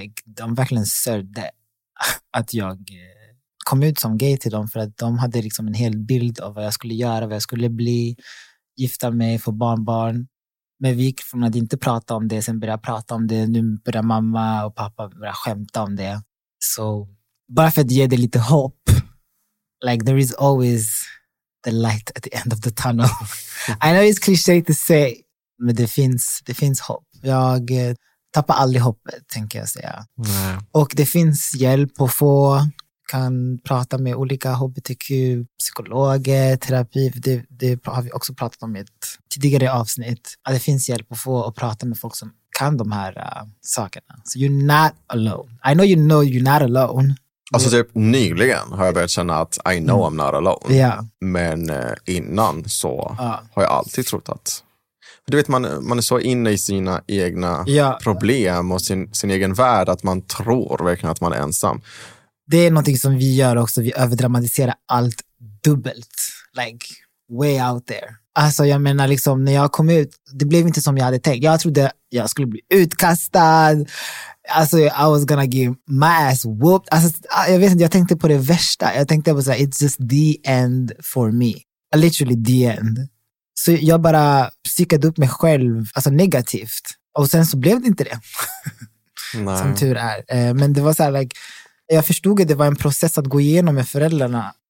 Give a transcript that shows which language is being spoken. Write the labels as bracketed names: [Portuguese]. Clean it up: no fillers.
[Swedish] Like, de verkligen sörde att jag kom ut som gay till dem. För att de hade liksom en hel bild av vad jag skulle göra, vad jag skulle bli. Gifta mig, få barnbarn. Men vi gick från att inte prata om det, sen började prata om det. Nu började mamma och pappa börja skämta om det. Så bara för att ge dig lite hopp. [English] Like, there is always the light at the end of the tunnel. I know it's cliche to say. [Swedish] Men det finns hopp. Jag tappar aldrig hoppet, tänker jag säga. Nej. Och det finns hjälp att få. Kan prata med olika hbtq-psykologer, terapi. Det har vi också pratat om i ett tidigare avsnitt. Att det finns hjälp att få och prata med folk som kan de här sakerna. [English] So you're not alone. I know you're not alone. [Swedish] Alltså typ nyligen har jag börjat känna att [English] I know I'm not alone. Yeah. [Swedish] Men innan så har jag alltid trott att... Du vet, man är så inne i sina egna problem och sin egen värld att man tror verkligen att man är ensam. Det är någonting som vi gör också. Vi överdramatiserar allt dubbelt. [English] Like, way out there. [Swedish] Alltså, jag menar liksom, när jag kom ut, det blev inte som jag hade tänkt. Jag trodde jag skulle bli utkastad. [English] Alltså, I was gonna give my ass whooped. [Swedish] Alltså, jag vet inte, jag tänkte på det värsta. Jag tänkte på såhär, [English] it's just the end for me. Literally the end. [Swedish] Så jag bara psykade upp mig själv, alltså negativt. Och sen så blev det inte det. Nej. Som tur är. Men det var så här, like, jag förstod att det var en process att gå igenom med föräldrarna.